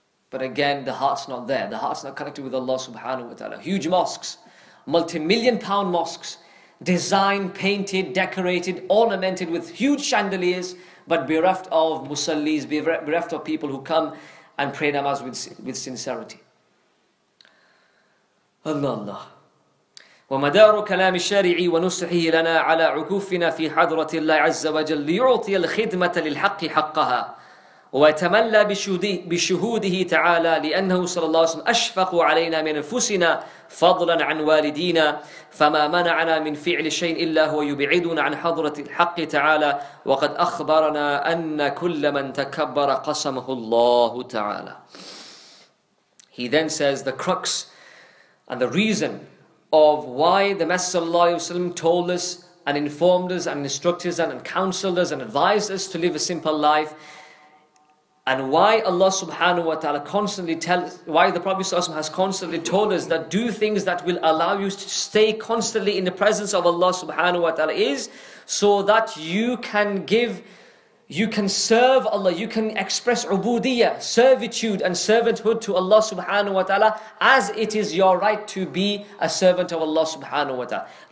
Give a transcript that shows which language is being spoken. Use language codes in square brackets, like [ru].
[en] But again, the heart's not there. The heart's not connected with Allah subhanahu wa ta'ala. Huge mosques, multi-million pound mosques, designed, painted, decorated, ornamented with huge chandeliers, but bereft of musallis, bereft of people who come and pray namaz with sincerity. Allah Allah. [ar] ومدار كلام الشارع ونصحه لنا على عكوفنا في حضرة الله عز وجل ليعطي الخدمة للحق حقها ويتملى بشهوده تعالى لأنه صلى الله عليه وسلم أشفق علينا من أنفسنا فضلا عن والدينا فما منعنا من فعل شيء إلا هو يبعدنا عن حضرة الحق تعالى وقد أخبرنا أن كل من تكبر قسمه الله تعالى. [en] He then says the crux and the reason of why the Messenger of Allah ﷺ told us and informed us and instructed us and counseled us and advised us to live a simple life, and why Allah subhanahu wa ta'ala constantly tells, why the Prophet ﷺ has constantly told us that do things that will allow you to stay constantly in the presence of Allah subhanahu wa ta'ala, is so that you can give, you can serve Allah, you can express ubudiyah, servitude and servanthood to Allah subhanahu wa ta'ala, as it is your right to be a servant of Allah subhanahu wa ta'ala.